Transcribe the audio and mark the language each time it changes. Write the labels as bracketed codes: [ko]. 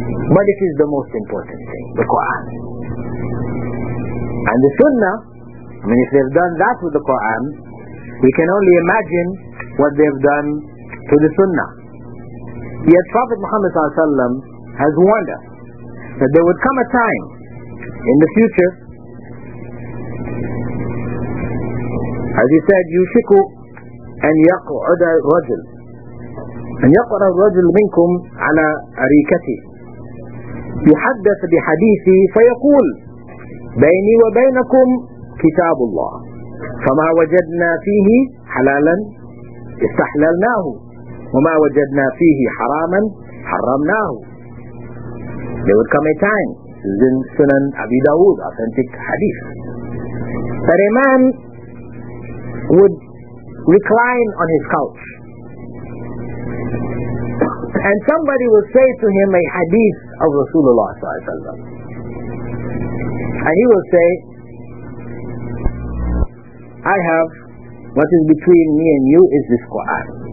[en] But it is the most important thing, the Quran. And the Sunnah, I mean, if they've done that with the Quran, we can only imagine what they've done to the Sunnah. Yet Prophet Muhammad sallallahu alaihi wasallam has warned us that there would come a time in the future, as he said, [ar] يُشِكُ أَنْ يَقْعُدَ الرَّجُلْ أَنْ يَقْعُدَ الرَّجُلْ مِنْكُمْ عَلَىٰ أَرِيكَتِهِ يُحَدَّثَ بِحَدِيثِهِ فَيَقُولْ بَيْنِي وَبَيْنَكُمْ كِتَابُ اللَّهِ فَمَا وَجَدْنَا فِيهِ حَلَالًا اِسْتَحْلَلْنَاهُ وَمَا وَجَدْنَا فِيهِ حَرَامًا حَرَّمْنَاهُ. [en] There would come a time, this is in Sunan Abi Dawood, authentic hadith, that a man would recline on his couch and somebody would say to him a hadith of Rasulullah sallallahu alaihi wasallam, and he will say, I have, what is between me and you is this Quran.